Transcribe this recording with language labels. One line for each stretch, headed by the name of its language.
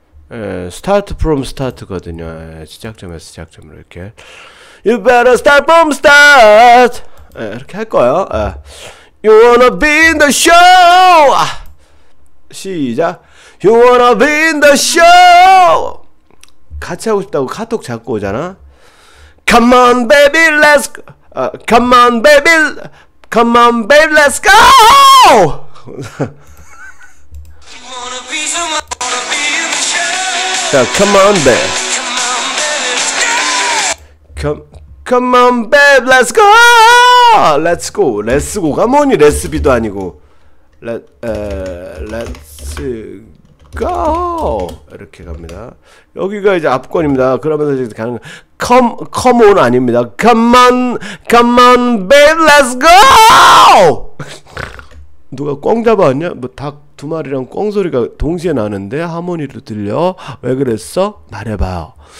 English: Start from start
Korean: 거든요. 시작점에서 시작점으로 이렇게
English: You better start from start
Korean: 이렇게 할 거예요.
English: You wanna be in the show
Korean: 시작
English: You wanna be in the show
Korean: 같이 하고 싶다고 카톡 잡고 오잖아
English: Come on baby let's go Come on baby Come on baby let's go You wanna be someone Wanna be in the show 자 come on baby Come on baby let's go Let's go Let's go가
Korean: 뭐니 레스비도 아니고
English: Let's go
Korean: 이렇게 갑니다. 여기가 이제 앞권입니다. 그러면서 이제 가는
English: come on
Korean: 아닙니다.
English: Come on, babe, let's go.
Korean: 누가 꽝 잡아왔냐? 뭐 닭 두 마리랑 꽝 소리가 동시에 나는데 하모니로 들려. 왜 그랬어? 말해봐요.